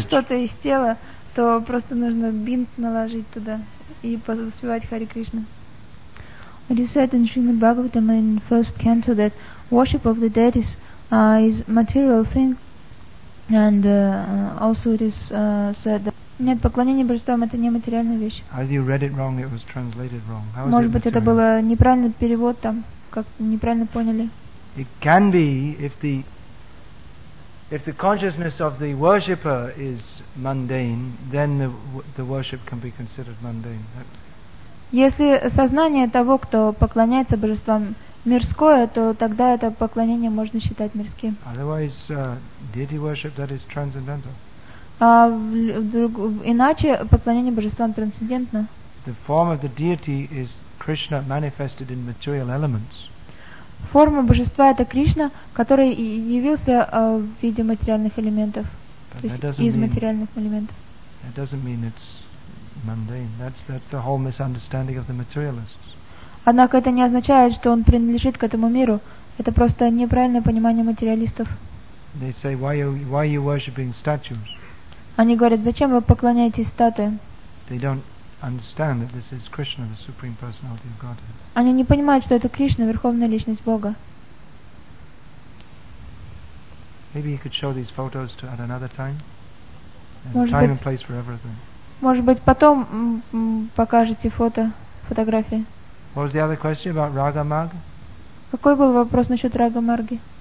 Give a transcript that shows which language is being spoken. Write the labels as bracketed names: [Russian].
[Russian] Что-то из тела, то просто нужно бинт наложить туда и поспевать Hare Krishna. [English] It is said in Srimad Bhagavatam in the first canto that worship of the dead is material thing, and also it is said that. [Russian] Нет, поклонение божествам — это не материальная вещь. [English] Have you read it wrong? It was translated wrong. How is [Russian] Может [English] it [Russian] быть, это было неправильный перевод там, как неправильно поняли. [English] It can be if the consciousness of the worshipper is mundane, then the worship can be considered mundane. [Russian] Если сознание того, кто поклоняется божествам, мирское, то тогда это поклонение можно считать мирским. [English] Otherwise, deity worship that is transcendental. [Russian] Иначе поклонение божествам трансцендентно. [English] The form of the deity is Krishna manifested in material elements. [Russian] Форма божества — это Кришна, который явился в виде материальных элементов, то есть из материальных элементов. [English] That doesn't mean it's mundane. That's the whole misunderstanding of the materialists. [Russian] Однако это не означает, что он принадлежит к этому миру. Это просто неправильное понимание материалистов. [English] They say, why are you worshiping statues? [Russian] Они говорят, зачем вы поклоняетесь статуям? [English] They don't understand that this is Krishna, the Supreme Personality of Godhead. [Russian] Они не понимают, что это Кришна, верховная личность Бога. [English] Maybe you could show these photos to at another time. There's time and place for everything. [Russian] Может быть, потом покажете фотографии. [English] What was the other question about Raga Marga? [Russian] Какой был вопрос насчет Рага Марги?